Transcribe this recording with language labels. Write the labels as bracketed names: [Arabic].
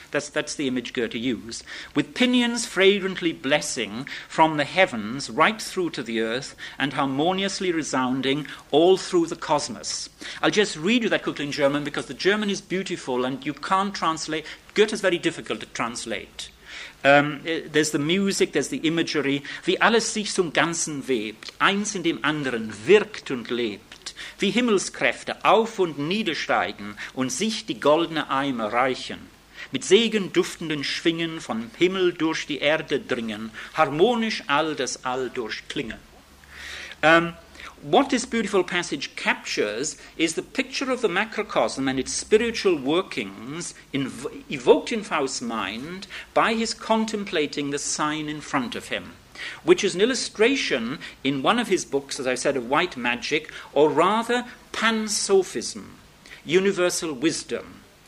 [English] That's the image Goethe used, with pinions fragrantly blessing from the heavens right through to the earth and harmoniously resounding all through the cosmos. I'll just read you that quickly in German because the German is beautiful and you can't translate. Goethe's very difficult to translate. There's the music, there's the imagery. [German] Wie alles sich zum Ganzen webt, eins in dem anderen wirkt und lebt, wie Himmelskräfte auf und niedersteigen und sich die goldene Eimer reichen. Mit Segen duftenden Schwingen vom Himmel durch die Erde dringen, harmonisch all das All durchklingen. [English] What this beautiful passage captures is the picture of the macrocosm and its spiritual workings evoked in Faust's mind by his contemplating the sign in front of him, which is an illustration in one of his books, as I said, of white magic, or rather pan-sophism, universal wisdom.